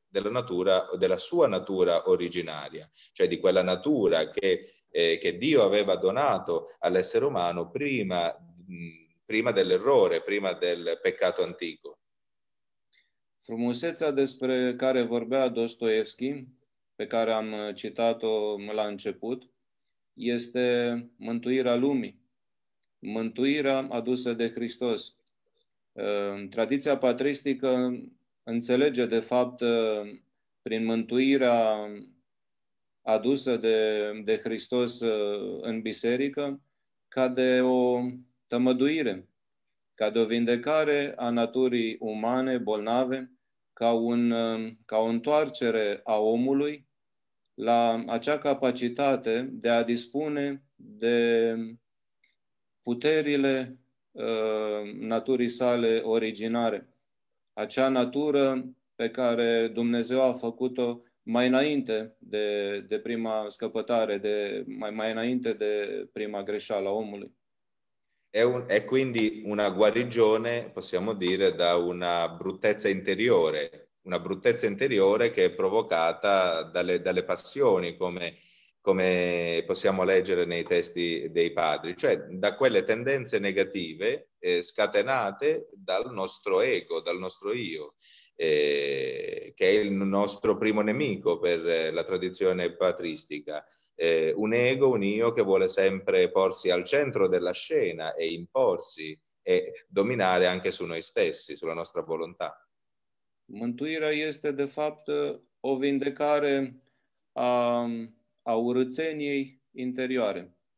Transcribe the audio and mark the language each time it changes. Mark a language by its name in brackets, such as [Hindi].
[Italian] Della sua natura originaria, cioè di quella natura che Dio aveva donato all'essere umano prima dell'errore, prima del peccato antico. [Romanian] Frumusețea despre care vorbea Dostoevski, pe care am citat-o la început, este mântuirea lumii, mântuirea adusă de Hristos. Tradiția patristică înțelege, de fapt, prin mântuirea adusă de Hristos în biserică, ca de o tămăduire, ca de o vindecare a naturii umane bolnave, ca o întoarcere a omului la acea capacitate de a dispune de puterile naturii sale originare, acea natură pe care Dumnezeu a făcut-o mai înainte de prima scăpătare, mai înainte de prima greșeală a omului. [Italian] È quindi una guarigione, possiamo dire, da una bruttezza interiore che è provocata dalle passioni, come possiamo leggere nei testi dei padri, cioè da quelle tendenze negative, scatenate dal nostro ego, dal nostro io, che è il nostro primo nemico per la tradizione patristica. Un ego, un io che vuole sempre porsi al centro della scena e imporsi e dominare anche su noi stessi, sulla nostra volontà. [Romanian] Mântuirea este, de fapt, o vindecare a urățeniei interioare.